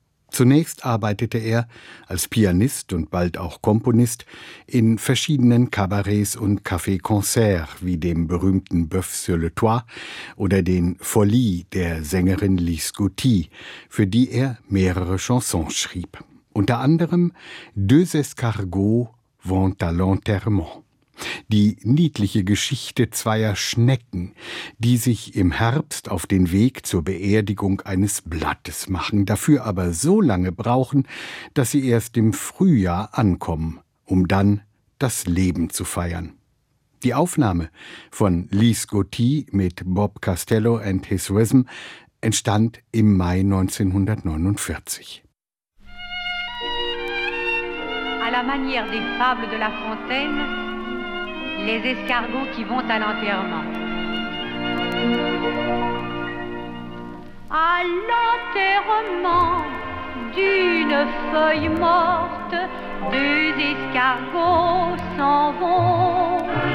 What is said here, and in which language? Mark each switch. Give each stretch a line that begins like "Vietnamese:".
German: Zunächst arbeitete er als Pianist und bald auch Komponist in verschiedenen Kabarets und Café-Concerts wie dem berühmten Boeuf sur le Toit oder den Folies der Sängerin Lise Gauthier, für die er mehrere Chansons schrieb. Unter anderem Deux escargots vont à l'enterrement. Die niedliche Geschichte zweier Schnecken, die sich im Herbst auf den Weg zur Beerdigung eines Blattes machen, dafür aber so lange brauchen, dass sie erst im Frühjahr ankommen, um dann das Leben zu feiern. Die Aufnahme von Lise Gauthier mit Bob Castello and His Rhythm entstand im Mai 1949.
French: À la manière des fables de La Fontaine, les escargots qui vont à l'enterrement. À l'enterrement d'une feuille morte, deux escargots s'en vont.